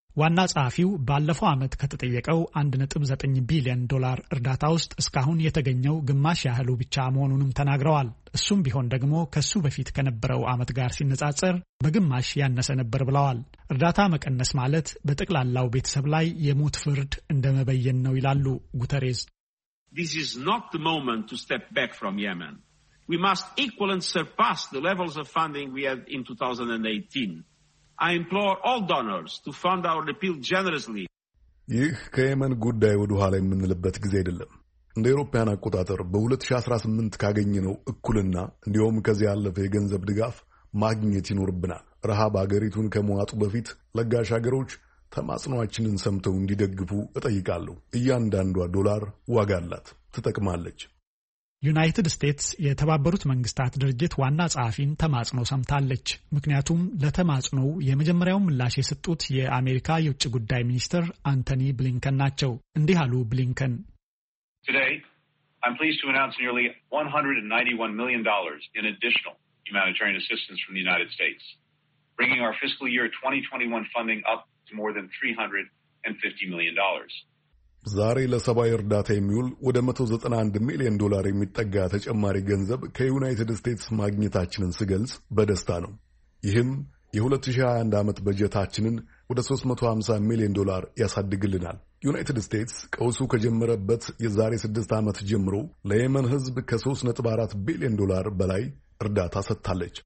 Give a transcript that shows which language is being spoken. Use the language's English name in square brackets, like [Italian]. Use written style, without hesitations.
[Amharic] ዋና ጻፊው ባለፈው ዓመት ከተጠየቀው 1.9 ቢሊዮን ዶላር እርዳታ ውስጥ እስካሁን የተገኘው ግማሽ ያህሉ ብቻ መሆኑንም ተናግረዋል። እሱም ቢሆን ደግሞ ከሱ በፊት ከነበረው ዓመት ጋር ሲነጻጸር በግማሽ ያነሰ ነበር ብለዋል። እርዳታ መቀነስ ማለት በጠቅላላው ቤተሰብ ላይ የሞት ፍርድ እንደመበየን ነው ይላሉ ጉተሬዝ። [English] This is not the moment to step back from Yemen. We must equal and surpass the levels of funding we had in 2018. I implore all donors to fund our appeal generously. [Amharic] ይህ ከየመን ጉዳይ ወደ ኋላ የምንልበት ጊዜ አይደለም። እንደ አውሮፓን አቆጣጠር በ2018 ካገኘነው እኩልና እንዲሁም ከዚህ ያለፈ የገንዘብ ድጋፍ ማግኘት ይኖርብናል። ረሃብ አገሪቱን ከመዋጡ በፊት ለጋሽ አገሮች ተማጽኗችንን ሰምተው እንዲደግፉ እጠይቃለሁ። እያንዳንዷ ዶላር ዋጋ አላት፣ ትጠቅማለች። ዩናይትድ ስቴትስ የተባበሩት መንግስታት ድርጅት ዋና ጻፊን ተማጽኖ ሰምታለች። ምክንያቱም ለተማጽኖው የመጀመሪያው ምላሽ የሰጡት የአሜሪካ የውጭ ጉዳይ ሚኒስትር አንቶኒ ብሊንከን ናቸው። እንዲህ አሉ ብሊንከን። [English] Today, I'm pleased to announce nearly $191 million in additional humanitarian assistance from the United States, bringing our fiscal year 2021 funding up to more than $350 million. [Amharic] ዛሬ ለሰብአዊ እርዳታ የሚውል ወደ 191 ሚሊዮን ዶላር የሚጠጋ ተጨማሪ ገንዘብ ከዩናይትድ ስቴትስ ማግኘታችንን ስገልጽ በደስታ ነው። ይህም የ2021 ዓመት በጀታችንን ወደ 350 ሚሊዮን ዶላር ያሳድግልናል። ዩናይትድ ስቴትስ ቀውሱ ከጀመረበት የዛሬ 6 ዓመት ጀምሮ ለየመን ህዝብ ከ3.4 ቢሊዮን ዶላር በላይ እርዳታ ሰጥታለች።